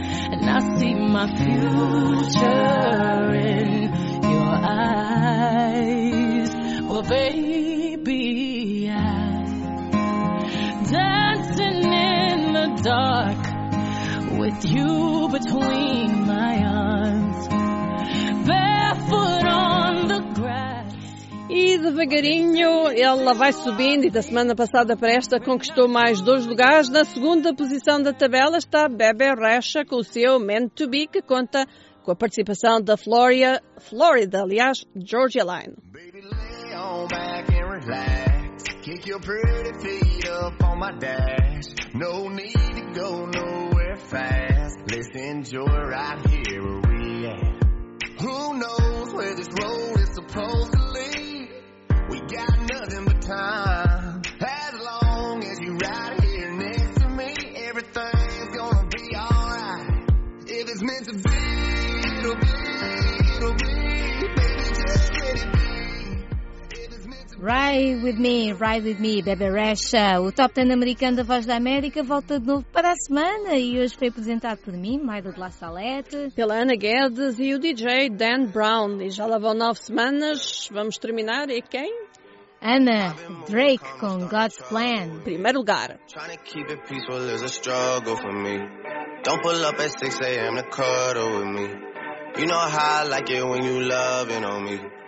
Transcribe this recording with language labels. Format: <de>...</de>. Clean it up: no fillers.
<en>And I see my future in your eyes. Well, baby, dancing in the dark with you between my arms. Barefoot on the grass.</en> <pt>E devagarinho ela vai subindo e da semana passada para esta conquistou mais 2 lugares. Na segunda posição da tabela está Bebe Rexha com o seu Meant to Be, que conta com a participação da Florida, Georgia Line.</pt> <en>Baby, lay on back and relax. Kick your pretty feet up on my dash. No need to go nowhere fast. Let's enjoy right here where we are. Who knows where this road is supposed to lead? We got nothing but time. As long as you ride here next to me, everything's gonna be alright. If it's meant to be, it'll be, it'll be. Baby, just let it be. Ride with me, Bebe Rexha.</en> <pt>O Top 10 americano da Voz da América volta de novo para a semana e hoje foi apresentado por mim, Maida de La Salette, pela Ana Guedes e o DJ Dan Brown. E já lá vão 9 semanas, vamos terminar. E quem? Ana, Drake com God's Plan. Primeiro lugar.</pt> <en>Trying to keep it peaceful is a struggle for me. Don't pull up at 6 a.m. to cuddle with me. You know how I like it when you loving on me.</en>